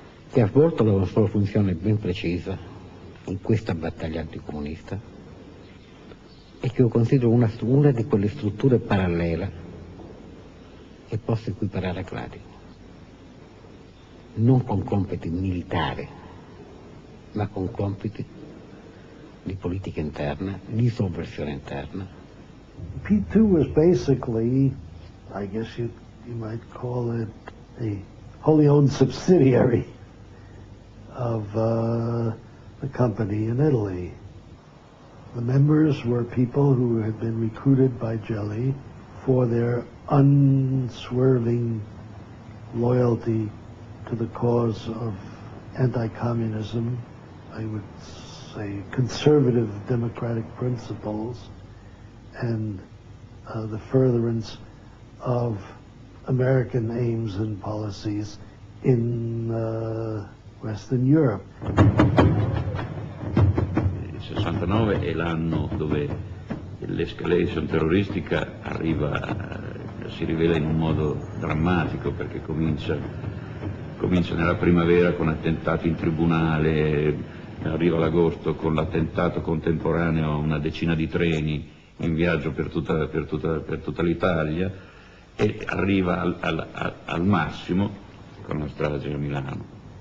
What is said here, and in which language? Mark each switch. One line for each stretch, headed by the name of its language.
Italian: che ha svolto la sua funzione ben precisa in questa battaglia anticomunista, e che io considero una di quelle strutture parallele che posso equiparare a Cladio, non con compiti militari, ma con compiti di politica interna, di sovversione interna.
English: P2 was basically, I guess you might call it, a wholly owned subsidiary of the company in Italy. The members were people who had been recruited by Gelli for their unswerving loyalty to the cause of anti-communism, I would say conservative democratic principles, and the furtherance of American aims and policies in Western Europe.
Italian: 69 è l'anno dove l'escalation terroristica arriva, si rivela in un modo drammatico, perché comincia nella primavera con attentati in tribunale, arriva l'agosto con l'attentato contemporaneo a una decina di treni in viaggio per tutta l'Italia, e arriva al massimo con la strage a Milano.